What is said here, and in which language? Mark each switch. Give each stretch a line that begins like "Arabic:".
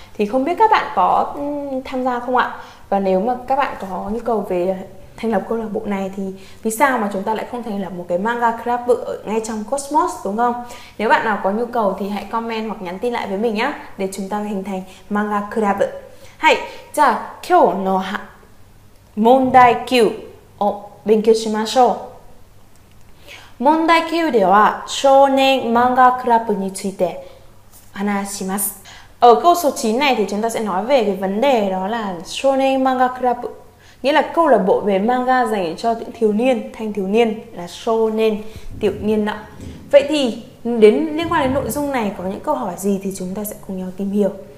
Vietnamese: Thì không biết các bạn có tham gia không ạ? Và nếu mà các bạn có nhu cầu về thành lập câu lạc bộ này thì vì sao mà chúng ta lại không thành lập một cái manga club bự ở ngay trong Cosmos, đúng không? Nếu bạn nào có nhu cầu thì hãy comment hoặc nhắn tin lại với mình nhé, để chúng ta hình thành manga club bự.
Japanese: Hãy, giờ, 今日の問題9を勉強しましょう。問題9では少年漫画クラブについて話します。
Vietnamese: Ở câu số 9 này thì chúng ta sẽ nói về cái vấn đề đó là 少年漫画クラブ。 Nghĩa là câu lạc bộ về manga dành cho những thiếu niên, thanh thiếu niên là shonen, tiểu niên ạ. Vậy thì đến liên quan đến nội dung này có những câu hỏi gì thì chúng ta sẽ cùng nhau tìm hiểu.